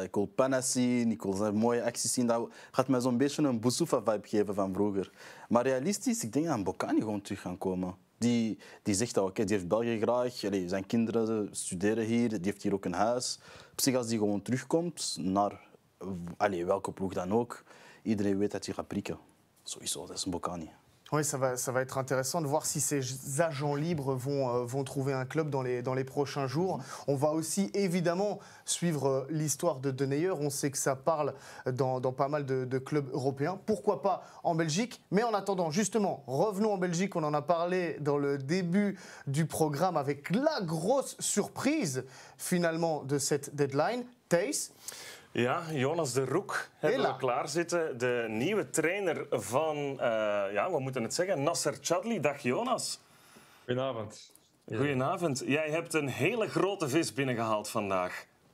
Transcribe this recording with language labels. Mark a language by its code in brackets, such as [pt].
[nl] Ik wil pennen zien, ik wil een mooie actie zien. Dat gaat mij zo'n beetje een Boussoufa-vibe geven van vroeger. Maar realistisch, ik denk dat Mbokani gewoon terug gaan komen. Die zegt dat, oké, die heeft België graag, zijn kinderen studeren hier, die heeft hier ook een huis. Op zich, als die gewoon terugkomt naar welke ploeg dan ook, iedereen weet dat hij gaat prikken. Sowieso, dat is Mbokani. [fr] Oui, ça va être intéressant de voir si ces agents libres vont trouver un club dans les prochains jours. On va aussi évidemment suivre l'histoire de Neuer. On sait que ça parle dans pas mal de clubs européens. Pourquoi pas en Belgique? Mais en attendant, justement, revenons en Belgique. On en a parlé dans le début du programme avec la grosse surprise, finalement, de cette deadline. Thaïs. [nl] Ja, Jonas de Roek hebben we klaarzitten. De nieuwe trainer van, we moeten het zeggen, Nasser Chadli. Dag Jonas. Goedenavond. Goedenavond. Jij hebt een hele grote vis binnengehaald vandaag.